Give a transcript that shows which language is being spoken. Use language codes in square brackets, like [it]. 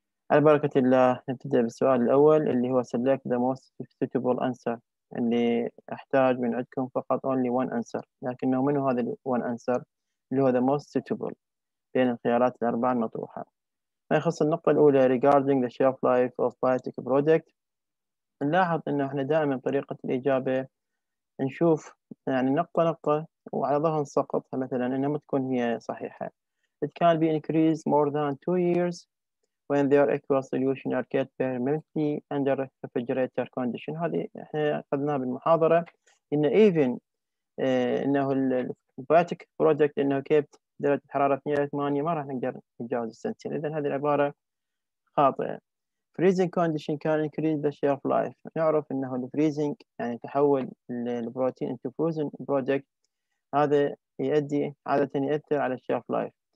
[ar] على بركة الله نبدأ بالسؤال الأول اللي هو [en] select the most suitable answer، [ar] اللي أحتاج من عندكم فقط [en] only one answer، [ar] لكنه من هذا ال [en] one answer [ar] اللي هو [en] the most suitable [ar] بين الخيارات الأربعة المطروحة. ما يخص النقطة الأولى [en] regarding the shelf life of biotech product، [ar] نلاحظ أنه إحنا دائما طريقة الإجابة نشوف يعني نقطة نقطة وعلى ظهر سقطها مثلا أنها ما تكون هي صحيحة. [en] It can be increased more than 2 years when their aqueous solution are kept permanently under refrigerator condition. [ar] هذه إحنا أخذناها بالمحاضرة إن even أنه الـ biotech product أنه kept درجة الحرارة 28 ما راح نقدر نتجاوز السنتين، إذا هذه العبارة خاطئة. [en] Freezing condition can increase the shelf life، [ar] نعرف أنه الفريزنج يعني تحول البروتين [en] into frozen product [ar] هذا يؤدي عادة يؤثر على الشيلف لايف.